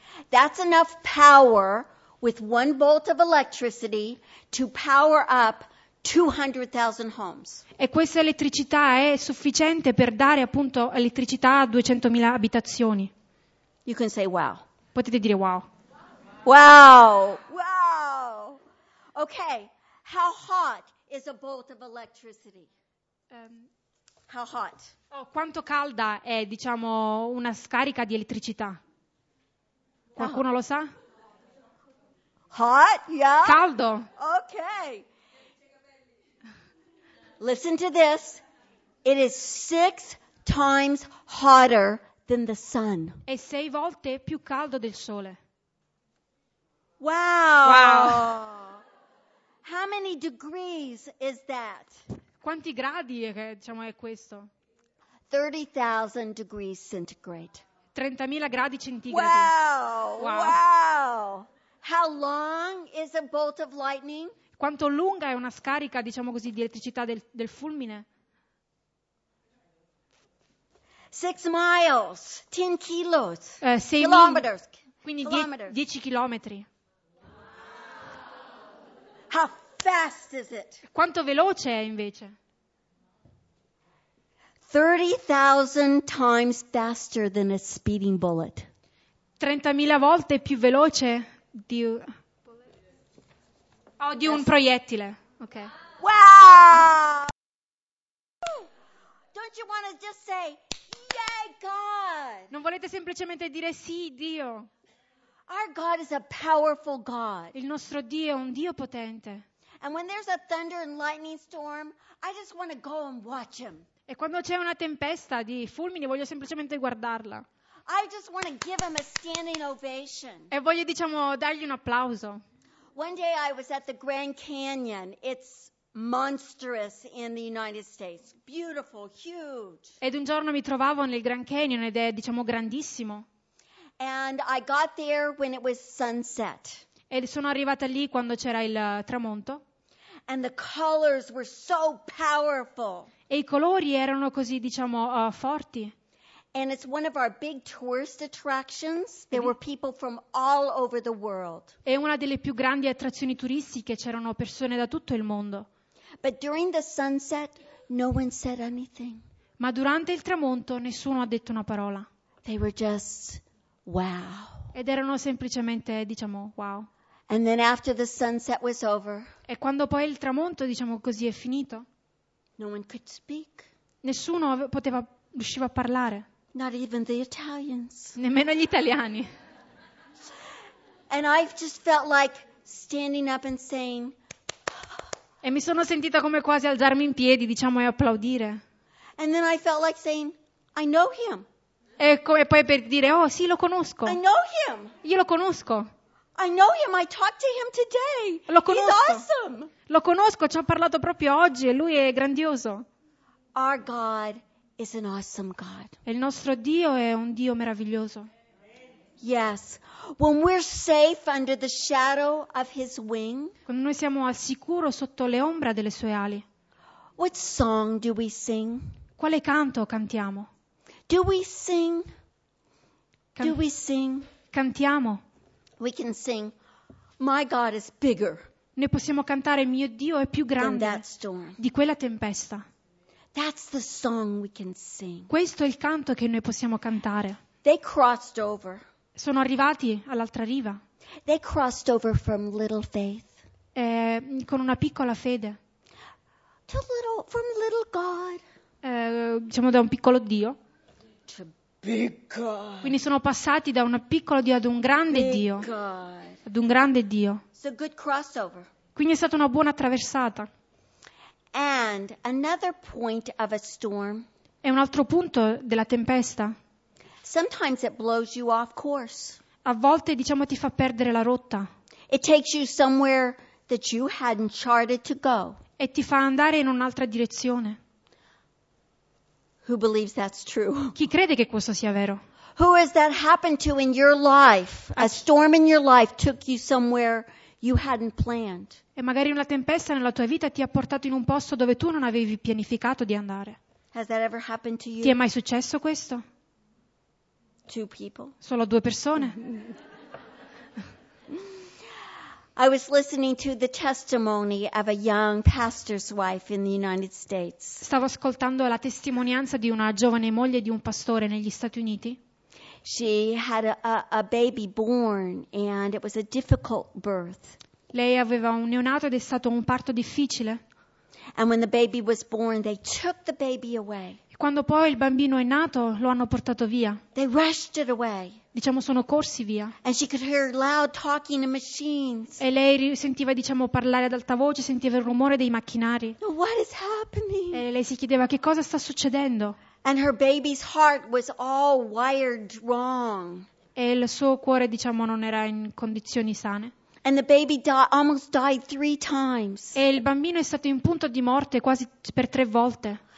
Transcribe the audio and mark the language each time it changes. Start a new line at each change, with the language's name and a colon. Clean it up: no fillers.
English: That's enough power with one bolt of electricity to power up 200,000 homes.
Italian: E questa elettricità è sufficiente per dare appunto elettricità a 200,000 abitazioni.
English: You can say wow.
Italian: Potete dire wow.
English: Wow. Wow. Okay. How hot is a bolt of electricity? How hot?
Italian: Oh, quanto calda è, diciamo, una scarica di elettricità? Qualcuno lo sa?
English: Hot? Yeah.
Italian: Caldo.
English: Okay. Listen to this. It is 6 times hotter than the sun.
Italian: È 6 volte più caldo del sole.
English: Wow. Wow. How many degrees is that?
Italian: Quanti gradi è, diciamo, è questo?
English: 30,000 degrees centigrade.
Italian: 30,000 gradi centigradi.
English: Wow. Wow. Wow. How long is a bolt of lightning?
Italian: Quanto lunga è una scarica, diciamo così, di elettricità del fulmine?
English: 6 miles, 10 kilos,
Italian: kilometers. Quindi 10 chilometri.
English: How fast is it?
Italian: Quanto veloce è invece?
English: 30,000 times faster than a speeding bullet.
Italian: 30,000 volte più veloce di un proiettile.
English: Okay. Wow! Don't you want to just say yay God?
Italian: Non volete semplicemente dire sì Dio?
English: Our God is a powerful God.
Italian: Il nostro Dio è un Dio potente.
English: And when there's a thunder and lightning storm, I just want to go and watch him.
Italian: E quando c'è una tempesta di fulmini voglio semplicemente guardarla.
English: I just want to give him a standing ovation.
Italian: E voglio, diciamo, dargli un applauso.
English: One day I was at the Grand Canyon. It's monstrous in the United States. Beautiful, huge.
Italian: Ed un giorno mi trovavo nel Grand Canyon ed è, diciamo, grandissimo.
English: And I got there when it was sunset.
Italian: Ed sono arrivata lì quando c'era il tramonto.
English: And the colors were so powerful.
Italian: E i colori erano così, diciamo, forti.
English: And it's one of our big tourist attractions. There were people from all over the world.
Italian: È una delle più grandi attrazioni turistiche, c'erano persone da tutto il mondo.
English: But during the sunset, no one said anything.
Italian: Ma durante il tramonto nessuno ha detto una parola.
English: They were just wow.
Italian: Ed erano semplicemente, diciamo, wow.
English: And then after the sunset was over.
Italian: E quando poi il tramonto, diciamo così, è finito.
English: No one could speak.
Italian: Nessuno poteva riusciva a parlare.
English: Not even the Italians.
Italian: Nemmeno gli italiani.
English: And I've just felt like standing up and saying.
Italian: E mi sono sentita come quasi alzarmi in piedi, diciamo, e applaudire.
English: And then I felt like saying, I know him.
Italian: E poi per dire, oh sì, lo conosco.
English: I know him.
Italian: Io lo conosco.
English: I know him. I talked to him today.
Italian: Lo conosco.
English: He's awesome.
Italian: Lo conosco. Ci ho parlato proprio oggi e lui è grandioso.
English: Our God is an awesome God.
Italian: Il nostro Dio è un Dio meraviglioso.
English: Yes. When we're safe under the shadow of his wing.
Italian: Quando noi siamo al sicuro sotto le ombre delle sue ali.
English: What song do we sing?
Italian: Quale canto cantiamo?
English: Do we sing? Do we sing?
Italian: Cantiamo.
English: We can sing. My God is bigger.
Italian: Noi possiamo cantare mio Dio è più grande di quella tempesta.
English: That's the song we can sing.
Italian: Questo è il canto che noi possiamo cantare.
English: They crossed over.
Italian: Sono arrivati all'altra riva.
English: They crossed over from little faith.
Italian: Con una piccola fede.
English: to little, from little God.
Italian: Diciamo da un piccolo Dio.
English: To big God.
Italian: Quindi sono passati da un piccolo Dio ad un grande
English: big
Italian: Dio.
English: God.
Italian: Ad un grande Dio.
English: It's a good crossover.
Italian: Quindi è stata una buona attraversata.
English: And another point of a storm.
Italian: È un altro punto della tempesta.
English: Sometimes it blows you off course.
Italian: A volte, diciamo, ti fa perdere la rotta.
English: It takes you somewhere that you hadn't charted to go.
Italian: E ti fa andare in un'altra direzione.
English: Who believes that's true?
Italian: Chi crede che questo sia vero?
English: Who has that happened to in your life? A storm in your life took you somewhere you hadn't planned.
Italian: E magari una tempesta nella tua vita ti ha portato in un posto dove tu non avevi pianificato di andare.
English: Has that ever happened to you?
Italian: Ti è mai successo questo?
English: Two people.
Italian: Solo due persone.
English: I was listening to the testimony of a young pastor's wife in the United States.
Italian: Stavo ascoltando la testimonianza di una giovane moglie di un pastore negli Stati Uniti.
English: She had a baby born and it was a difficult birth.
Italian: Lei aveva un neonato ed è stato un parto difficile.
English: And when the baby was born, they took the baby away.
Italian: Quando poi il bambino è nato, lo hanno portato via.
English: They rushed it away.
Italian: Diciamo, sono corsi via.
English: And she could hear loud talking and machines.
Italian: E lei sentiva, diciamo, parlare ad alta voce, sentiva il rumore dei macchinari.
English: What is happening?
Italian: E lei si chiedeva che cosa sta succedendo.
English: And her baby's heart was all wired wrong.
Italian: E il suo cuore, diciamo, non era in condizioni sane.
English: And the baby almost died three times.
Italian: E il bambino è stato in punto di morte quasi per tre volte.